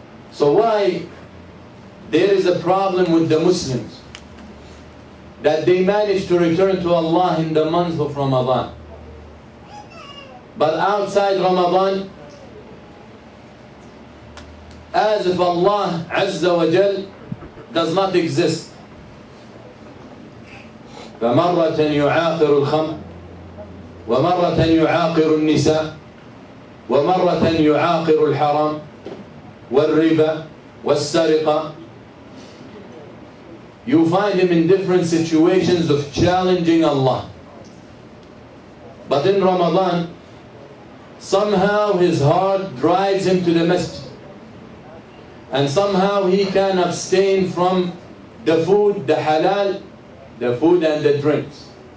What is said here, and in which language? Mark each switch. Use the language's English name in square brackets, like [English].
[English] So why there is a problem with the Muslims that they managed to return to Allah in the month of Ramadan, but outside Ramadan, as if Allah Azza wa Jal does not exist. [Arabic] فمرة يعاقر الخمر ومرة يعاقر النساء ومرة يعاقر الحرام والربا والسرقة. [English] You find him in different situations of challenging Allah. But in Ramadan, somehow his heart drives him to the masjid. And somehow he can abstain from the food, the halal, the food and the drinks.